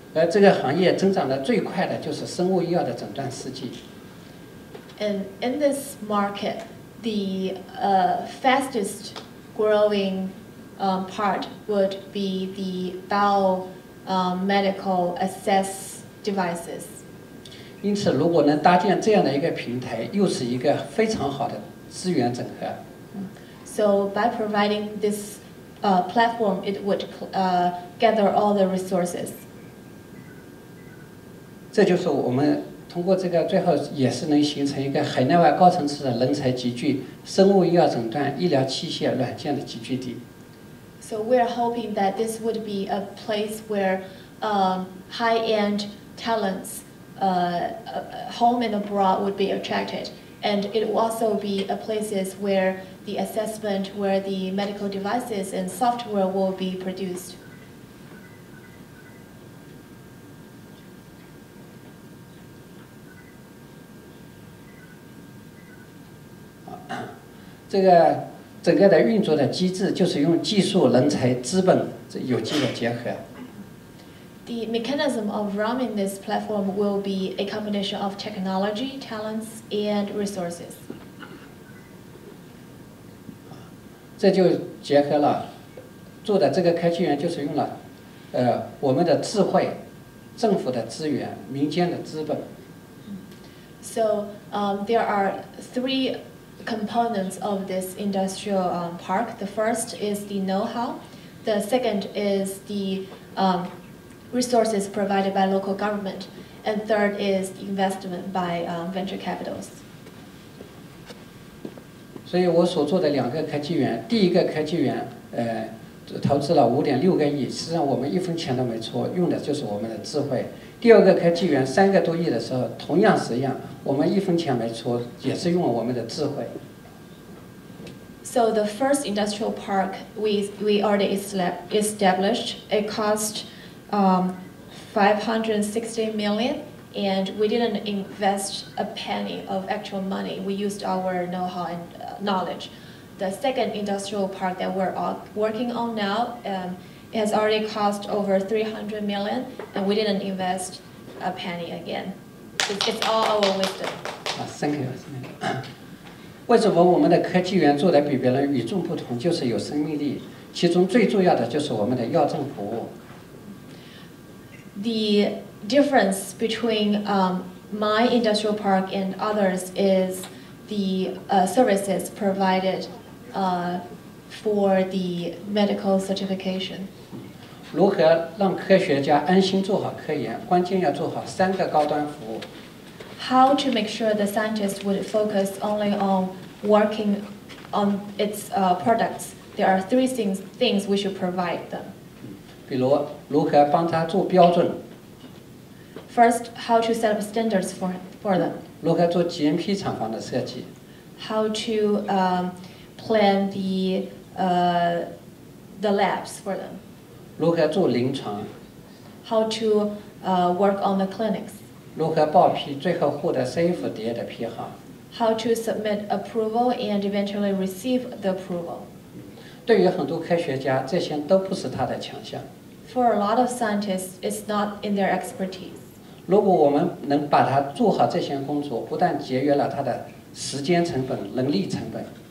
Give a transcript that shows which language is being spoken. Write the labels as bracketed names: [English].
[Chinese] 这个行业增长的最快的就是生物医药的诊断试剂。 [English] And in this market, the fastest growing part would be the biomedical access devices. [Chinese] 因此，如果能搭建这样的一个平台，又是一个非常好的资源整合。 [English] So by providing this platform, it would gather all the resources. [Chinese] 这就是我们通过这个最后也是能形成一个海内外高层次的人才集聚、生物医药诊断、医疗器械软件的集聚地。 [English] So we are hoping that this would be a place where high-end talents home and abroad would be attracted. And it will also be a place where the assessment, where the medical devices and software will be produced. This [Chinese] 整个的运作的机制就是用技术、人才、资本这有机的结合。 [English] The mechanism of running this platform will be a combination of technology, talents, and resources. [Chinese] 这就结合了，做的这个科技园就是用了，我们的智慧、政府的资源、民间的资本。 [English] So, there are three. Components of this industrial park. The first is the know-how. The second is the resources provided by local government. And third is the investment by venture capitals. [Chinese] 所以我所做的两个科技园，第一个科技园，投资了5.6亿，实际上我们一分钱都没出，用的就是我们的智慧。第二个科技园3亿多的时候，同样是一样，我们一分钱没出，也是用了我们的智慧。 [English] So the first industrial park we already established, it cost $560 million, and we didn't invest a penny of actual money. We used our know-how and knowledge. The second industrial park that we're working on now, it has already cost over $300 million, and we didn't invest a penny again. It's all our wisdom. Thank you. [Chinese] 为什么我们的科技园做得比别人与众不同，就是有生命力，其中最重要的就是我们的药证服务。 [English] The difference between my industrial park and others is the services provided for the medical certification. [Chinese] 如何让科学家安心做好科研，关键要做好三个高端服务。 [English] How to make sure the scientists would focus only on working on its products. There are three things we should provide them. [Chinese] 比如如何帮他做标准。 [English] First, how to set up standards for them. [Chinese] 如何做 GMP 厂房的设计。 [English] How to plan the labs for them. [Chinese] 如何做临床。 [English] How to work on the clinics. [Chinese] 如何报批，最后获得 CFDA 的批号 [English] ？How to submit approval and eventually receive the approval？ [Chinese] 对于很多科学家，这些都不是他的强项。 [English] For a lot of scientists, it's not in their expertise. [Chinese] 如果我们能把它做好这些工作，不但节约了他的时间成本、人力成本。